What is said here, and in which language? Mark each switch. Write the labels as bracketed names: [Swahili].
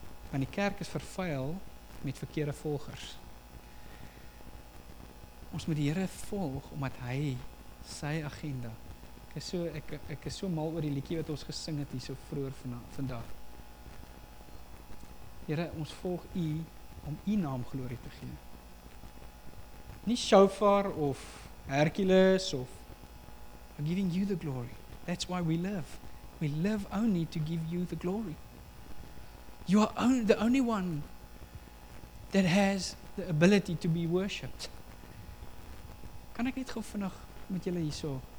[Afrikaans] Want die kerk is vervuil met verkeerde volgers. Ons moet die Here volg, omdat hy sy agenda. Ek is so mal oor die liedjie wat ons gesing het hier so vroeër vandag. Here, ons volg u om u naam glorie te gee. Nie shofar of Hercules, of [English] I'm giving you the glory. That's why we live. We live only to give you the glory. You are the only one that has the ability to be worshipped. [Afrikaans] Kan ek net gou vinnig met julle hierso?